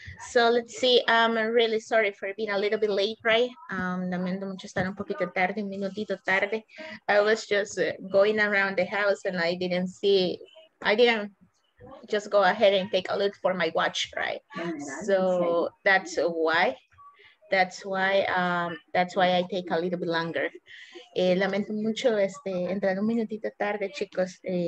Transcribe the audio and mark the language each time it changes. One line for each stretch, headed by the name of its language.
English: So let's see, I'm really sorry for being a little bit late, right?
Spanish: Lamento mucho estar un poquito tarde, un minutito tarde.
English: I was just going around the house and I didn't just go ahead and take a look for my watch, right? So that's why I take a little bit longer.
Spanish: Lamento mucho entrar un minutito tarde, chicos.